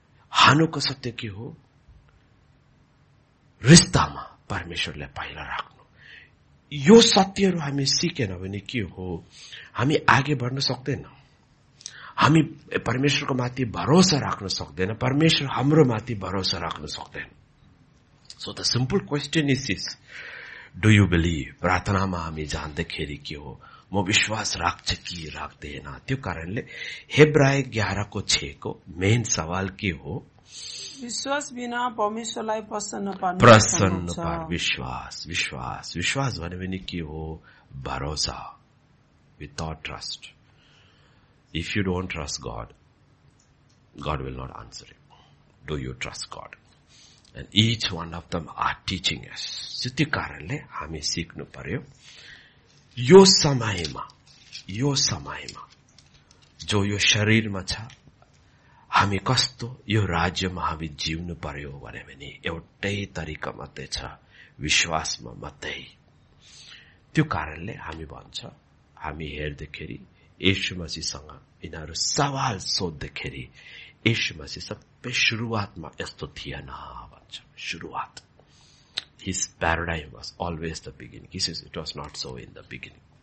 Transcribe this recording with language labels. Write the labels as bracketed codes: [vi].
[ne] हानुको सत्य के हो, रिश्तामा परमेश्वरले पहिला राख्नु. यो सत्यहरू हामी सिकेनौँ भने के हो, हामी आगे बढ्न सक्दैनौँ, हामी परमेश्वरको माथि भरोसा राख्न सक्दैन, परमेश्वर हाम्रो माथि भरोसा राख्न सक्दैन. [en] So the simple question is this, do you believe. [ne] प्रार्थनामा हामी जान्दाखेरि के हो, म विश्वास राख्छ कि राख्दैन. त्यो कारणले हेब्राय 11:6 मेन सवाल के हो, विश्वास बिना परमेश्वरलाई प्रसन्न पार्न, प्रसन्न पार्न. विश्वास, विश्वास, विश्वास भने पनि के हो, भरोसा, [en] Without trust. If you don't trust God, God will not answer you. Do you trust God? And each one of them are teaching us. [ne] त्यो कारणले हामी सिक्नु पर्यो, यो समयमा, यो समयमा जो यो शरीरमा छ, हामी कस्तो यो राज्यमा हामी जिउनु पर्यो भने एउटै तरिका मात्रै छ, विश्वासमा मात्रै. त्यो कारणले हामी भन्छ, हामी हेर्दाखेरि येशु मसीहसँग यिनीहरू सवाल सोद्धाखेरि येशु मसीह सबै सुरुवातमा यस्तो थिएन भन्छ. [en] सुरुवात, His paradigm was always the beginning. He says it was not so in the beginning.